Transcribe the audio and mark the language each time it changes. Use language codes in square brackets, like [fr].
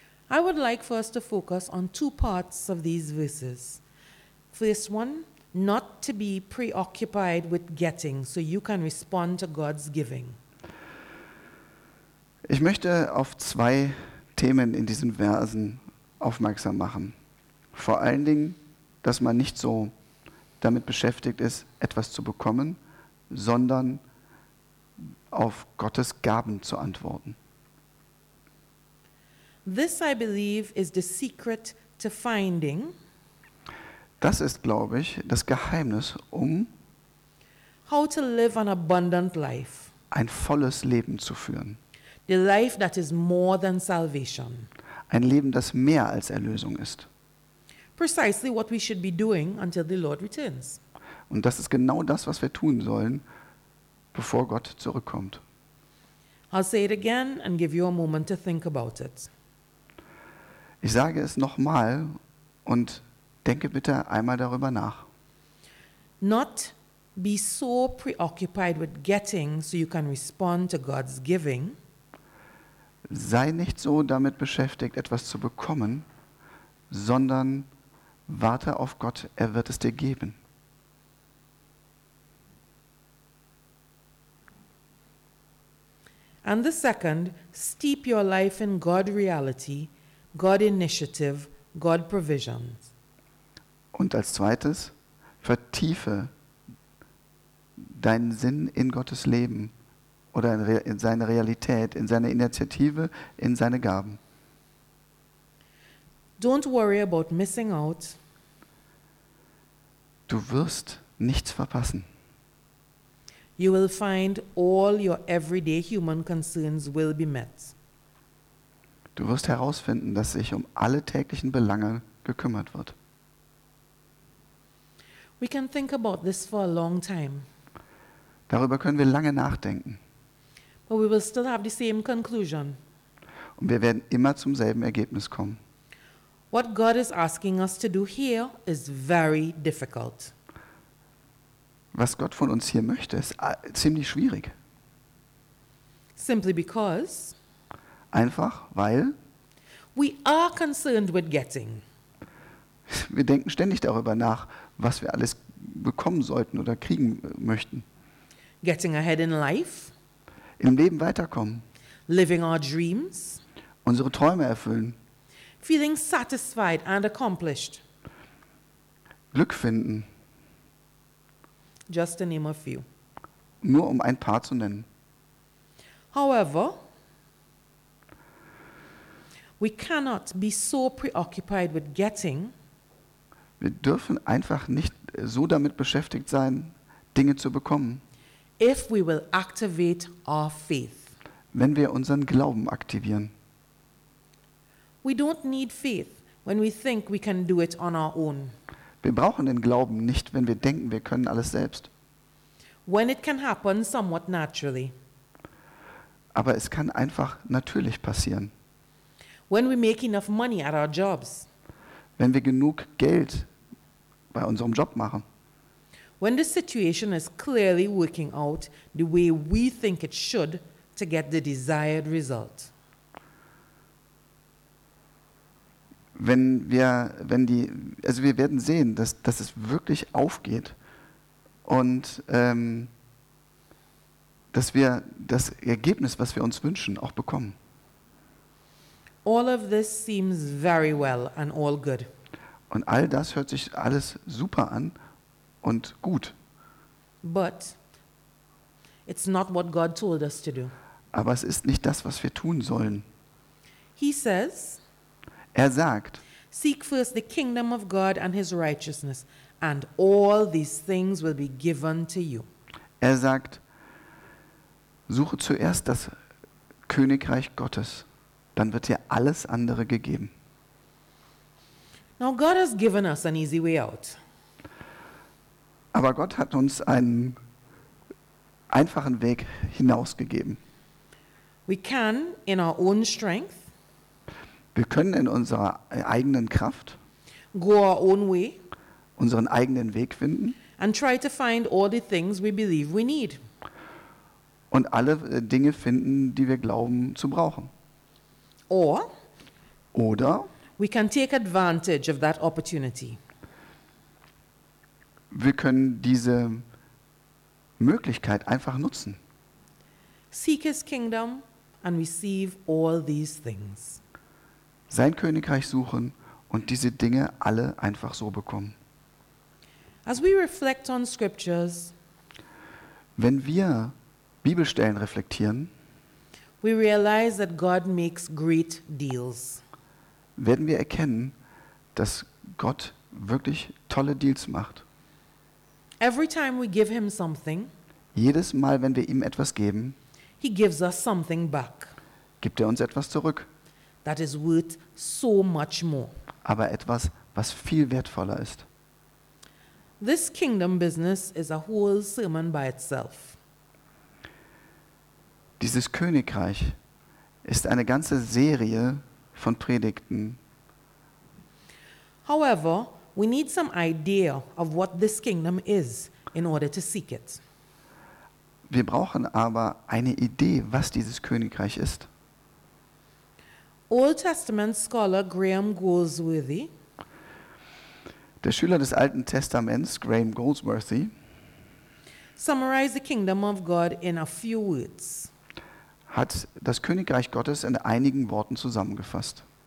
[en] I would like for us to focus on two parts of these verses. First one, not to be preoccupied with getting, so you can respond to God's giving. [de] Ich möchte auf zwei Themen in diesen Versen aufmerksam machen. Vor allen Dingen, dass man nicht so damit beschäftigt ist, etwas zu bekommen, sondern auf Gottes Gaben zu antworten. [en] This, I believe, is the secret to finding. [de] Das ist, glaube ich, das Geheimnis, um [en] how to live an abundant life. [de] Ein volles Leben zu führen. [en] The life that is more than salvation. [de] Ein Leben, das mehr als Erlösung ist. [en] Precisely what we should be doing until the Lord returns. [de] Und das ist genau das, was wir tun sollen, bevor Gott zurückkommt. [en] I'll say it again and give you a moment to think about it. [de] Ich sage es nochmal und denke bitte einmal darüber nach. [en] Not be so preoccupied with getting, so you can respond to God's giving. [de] Sei nicht so damit beschäftigt, etwas zu bekommen, sondern warte auf Gott, er wird es dir geben. [en] And the second, steep your life in God reality, God initiative, God provisions. [de] Und als zweites, vertiefe deinen Sinn in Gottes Leben oder in seine Realität, in seine Initiative, in seine Gaben. [en] Don't worry about missing out. [de] Du wirst nichts verpassen. [en] You will find all your everyday human concerns will be met. [de] Du wirst herausfinden, dass sich um alle täglichen Belange gekümmert wird. [en] We can think about this for a long time. [de] Darüber können wir lange nachdenken. [en] But we will still have the same conclusion. [de] Und wir werden immer zum selben Ergebnis kommen. [en] What God is asking us to do here is very difficult. [de] Was Gott von uns hier möchte, ist ziemlich schwierig. [en] Simply because. [de] Einfach weil. [en] We are concerned with getting. [de] Wir denken ständig darüber nach, was wir alles bekommen sollten oder kriegen möchten. [en] Getting ahead in life. [de] Im Leben weiterkommen. [en] Living our dreams. [de] Unsere Träume erfüllen. [en] Feeling satisfied and accomplished. [de] Glück finden. [en] Just to name a few. [de] Nur um ein paar zu nennen. [en] However, we cannot be so preoccupied with getting. [de] Wir dürfen einfach nicht so damit beschäftigt sein, Dinge zu bekommen. [en] If we will activate our faith. [de] Wenn wir unseren Glauben aktivieren. [en] We don't need faith when we think we can do it on our own. [de] Wir brauchen den Glauben nicht, wenn wir denken, wir können alles selbst. [en] When it can happen somewhat naturally. [de] Aber es kann einfach natürlich passieren. [en] When we make enough money at our jobs. [de] Wenn wir genug Geld bei unserem Job machen. [en] When the situation is clearly working out the way we think it should to get the desired result. [de] Wir werden sehen, dass es wirklich aufgeht und dass wir das Ergebnis, was wir uns wünschen, auch bekommen. [en] All of this seems very well and all good. [de] Und all das hört sich alles super an und gut. [en] But it's not what God told us to do. [de] Aber es ist nicht das, was wir tun sollen. [en] He says. [de] Er sagt, [en] seek first the kingdom of God and his righteousness, and all these things will be given to you. [de] Er sagt, suche zuerst das Königreich Gottes, dann wird dir alles andere gegeben. [en] Now God has given us an easy way out. [de] Aber Gott hat uns einen einfachen Weg hinausgegeben. [en] We can in our own strength. [de] Wir können in unserer eigenen Kraft [en] go our own way, [de] unseren eigenen Weg finden [en] and try to find all the things we believe we need. [de] Und alle Dinge finden, die wir glauben zu brauchen. Oder [en] we can take advantage of that opportunity. [de] Wir können diese Möglichkeit einfach nutzen. [en] Seek his kingdom and receive all these things. [de] Sein Königreich suchen und diese Dinge alle einfach so bekommen. [en] As we reflect on scriptures, [de] wenn wir Bibelstellen reflektieren, [en] we realize that God makes great deals. [de] Werden wir erkennen, dass Gott wirklich tolle Deals macht. [en] Every time we give him something, [de] jedes Mal, wenn wir ihm etwas geben, [en] he gives us something back. [de] Gibt er uns etwas zurück. [en] That is worth so much more. [de] Aber etwas, was viel wertvoller ist. [en] This kingdom business is a whole sermon by itself. [de] Dieses Königreich ist eine ganze Serie von Predigten. [en] However, we need some idea of what this kingdom is in order to seek it. [de] Wir brauchen aber eine Idee, was dieses Königreich ist. [en] Old Testament scholar Graham Goldsworthy. [de] Der Schüler des Alten Testaments Graham Goldsworthy [en] summarized the kingdom of God in a few words. [de] Hat das Königreich Gottes in einigen Worten zusammengefasst.